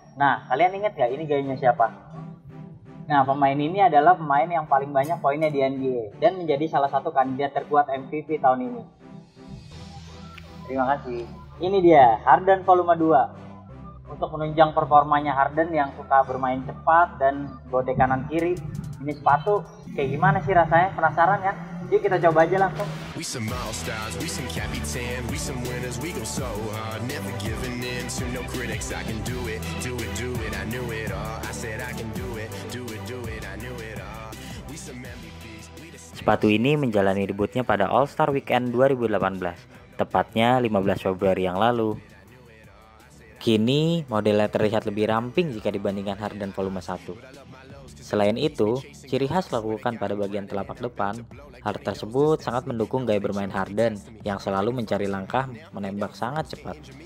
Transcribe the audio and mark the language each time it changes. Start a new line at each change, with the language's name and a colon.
Indonesian: Nah, kalian ingat gak ini gayanya siapa? Nah, pemain ini adalah pemain yang paling banyak poinnya di NBA dan menjadi salah satu kandidat terkuat MVP tahun ini. Terima kasih. Ini dia, Harden volume 2. Untuk menunjang performanya Harden yang suka bermain cepat dan gode kanan-kiri, ini sepatu kayak gimana sih rasanya? Penasaran kan? Yuk kita coba aja langsung.
English: We some milestones, we some capitan, we some winners, we go so hard, never giving in to no critics. I can do it, I knew it all. I said I can do it, I knew it all. We some MVPs.
Indonesian: Sepatu ini menjalani debutnya pada All-Star Weekend 2018, tepatnya 15 Februari yang lalu. Kini modelnya terlihat lebih ramping jika dibandingkan Harden volume 1. Selain itu, ciri khas lakukan pada bagian telapak depan, hal tersebut sangat mendukung gaya bermain Harden yang selalu mencari langkah menembak sangat cepat.